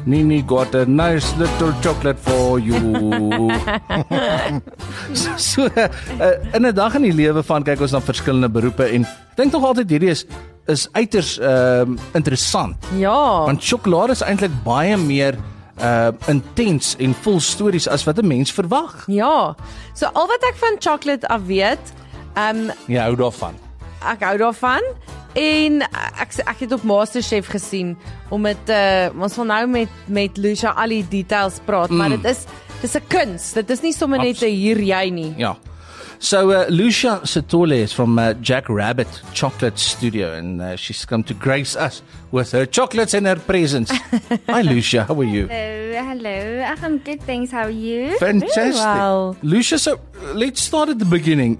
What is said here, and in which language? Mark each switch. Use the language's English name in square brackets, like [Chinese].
[English] Nini got a nice little chocolate for you. [Afrikaans] So, in 'n dag in die lewe van kyk ons na verskillende beroepe en dink nog altyd hierdie is uiters interessant. Ja. Want chocolade is eintlik baie meer intens en vol stories as wat 'n mens verwag. Ja. So al wat ek van chocolate af weet, jy hou daarvan. Ek hou daarvan en ek het op MasterChef gesien om dit ons wil nou met Lucia al die details praat, maar dit is 'n kunst. Dit is nie sommer net 'n hier jy nie. Ja. [English] So Lucia Sotole is from Jack Rabbit Chocolate Studio and she's come to grace us with her chocolates and her presents. Hi Lucia, how are you? Hello, hello. I'm good, thanks. How are you? Fantastic. Very well. Lucia, so let's start at the beginning.